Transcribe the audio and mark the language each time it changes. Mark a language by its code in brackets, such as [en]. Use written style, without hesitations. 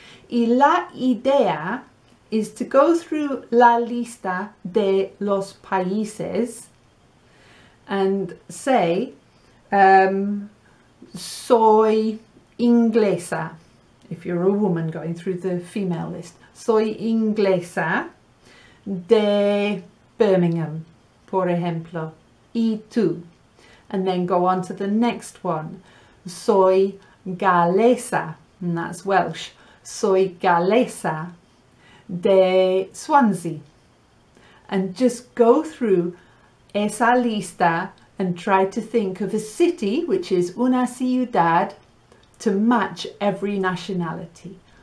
[es] Y la idea [en] is to go through [es] la lista de los países [en] and say, [es] soy inglesa. [en] If you're a woman going through the female list. [es] Soy inglesa de Birmingham, por ejemplo, y tú. [en] And then go on to the next one. [es] Soy galesa, [en] and that's Welsh. [es] Soy galesa de Swansea. [en] And just go through [es] esa lista [en] and try to think of a city, which is [es] una ciudad, [en] to match every nationality.